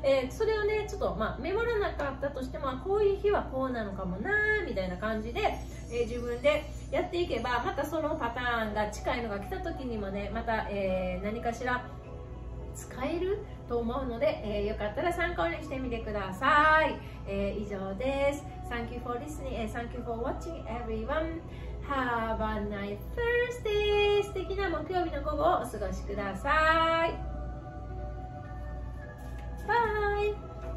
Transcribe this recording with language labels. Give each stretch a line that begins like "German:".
Japanese: それをねちょっと、まあ、メモらなかったとしても、こういう日はこうなのかもなみたいな感じで、自分でやっていけば、またそのパターンが近いのが来た時にもね、また、何かしら使えると思うので、よかったら参考にしてみてください。以上です。
English: Thank you for listening and thank you for watching everyone. Have a nice Thursday.
Japanese: 素敵な木曜日の午後をお過ごしください。Bye.